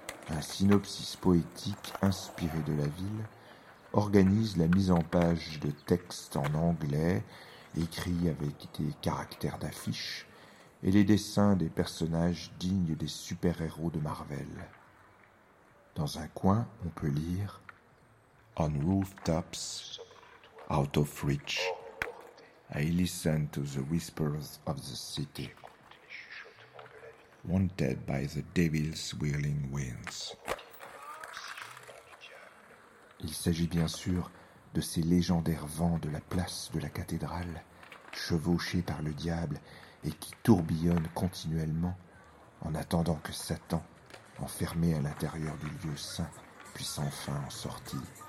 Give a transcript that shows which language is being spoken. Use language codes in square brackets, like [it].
[fr] Un synopsis poétique inspiré de la ville organise la mise en page de textes en anglais écrits avec des caractères d'affiche et les dessins des personnages dignes des super-héros de Marvel. Dans un coin, on peut lire « [en] On rooftops, out of reach ». I listen to the whispers of the city, wanted by the devil's whirling winds. [fr] Il s'agit bien sûr de ces légendaires vents de la place de la cathédrale, chevauchés par le diable et qui tourbillonnent continuellement en attendant que Satan, enfermé à l'intérieur du lieu saint, puisse enfin en sortir.